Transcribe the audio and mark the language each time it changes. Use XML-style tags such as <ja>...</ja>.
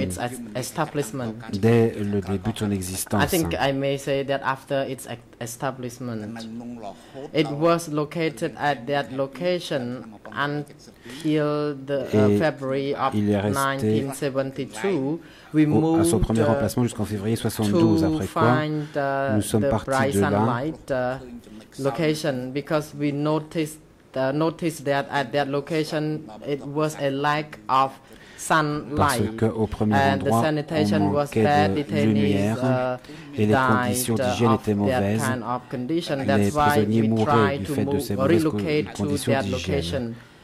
<en>its establishment.</en> <fr>Dès le début de son existence.</fr> <en>I think I may say that after its establishment, it was located at that location until the February of 1972. We moved</en> <fr>à son premier emplacement jusqu'en février 72, après quoi nous sommes partis de là.</fr> <en>Location, because we noticed that at that location it was a lack of sunlight.</en> <fr>Parce qu'au premier endroit, on manquait de lumière et les conditions d'hygiène étaient mauvaises.</fr> <en>Kind of condition.</en> <fr>Les prisonniers mouraient du fait de ces mauvaises conditions d'hygiène.</fr>